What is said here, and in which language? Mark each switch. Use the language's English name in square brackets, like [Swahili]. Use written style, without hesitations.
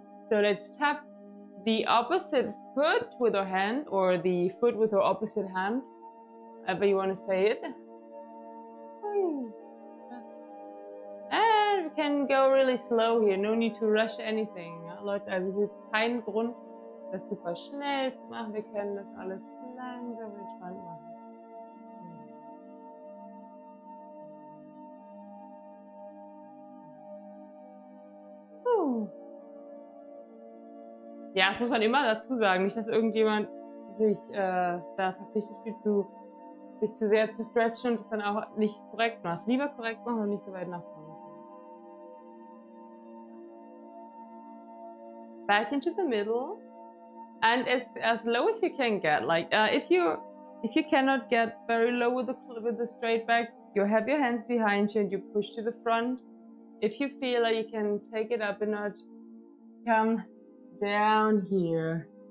[English] So let's tap the opposite foot with our hand, or the foot with our opposite hand, however you want to say it. And we can go really slow here, no need to rush anything. [German] Leute, also es gibt keinen Grund, das super schnell zu machen. Wir können das alles langsam entspannt machen. Ja, das muss man immer dazu sagen, nicht, dass irgendjemand sich da verpflichtet fühlt, sich zu sehr zu stretchen und es dann auch nicht korrekt macht. Lieber korrekt machen und nicht so weit nach vorne. [English] Back into the middle and as low as you can get. Like, if you're If you cannot get very low with the straight back, you have your hands behind you and you push to the front. If you feel like you can take it up a notch, come down here.